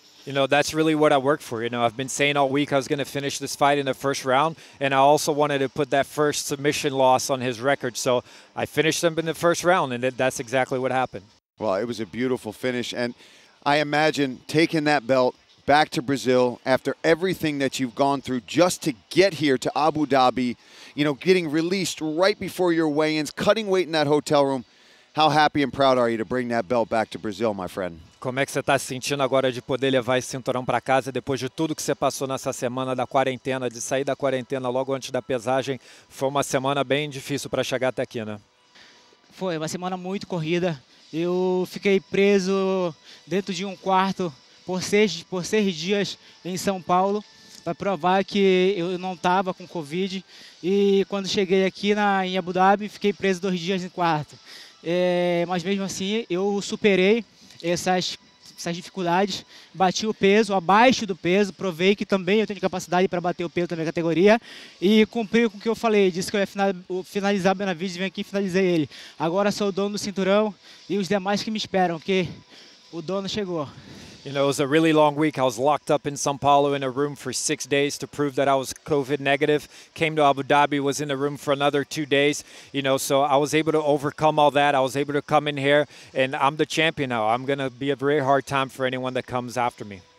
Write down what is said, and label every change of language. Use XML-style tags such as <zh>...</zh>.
<en>You know, that's really what I work for. You know, I've been saying all week I was going to finish this fight in the first round, and I also wanted to put that first submission loss on his record, so I finished him in the first round, and that's exactly what happened. Well, it was a beautiful finish, and I imagine taking that belt back to Brazil after everything that you've gone through just to get here to Abu Dhabi, you know, getting released right before your weigh-ins, cutting weight in that hotel room. How happy and proud are you to bring that belt back to Brazil, my friend?</en> <pt>Como é que você está se sentindo agora de poder levar esse cinturão para casa depois de tudo que você passou nessa semana da quarentena, de sair da quarentena logo antes da pesagem? Foi uma semana bem difícil para chegar até aqui, né? Foi uma semana muito corrida. Eu fiquei preso dentro de um quarto por seis dias em São Paulo para provar que eu não estava com Covid. E quando cheguei aqui em Abu Dhabi, fiquei preso 2 dias em quarto. Mas mesmo assim, eu superei essas dificuldades, bati o peso, abaixo do peso, provei que também eu tenho capacidade para bater o peso na minha categoria e cumpri com o que eu falei, disse que eu ia finalizar o Benavides, vim aqui e finalizei ele. Agora sou o dono do cinturão e os demais que me esperam, que o dono chegou.</pt> <en>You know, it was a really long week. I was locked up in São Paulo in a room for 6 days to prove that I was COVID negative. Came to Abu Dhabi, was in the room for another 2 days. You know, so I was able to overcome all that. I was able to come in here, and I'm the champion now. I'm going to be a very hard time for anyone that comes after me.</en>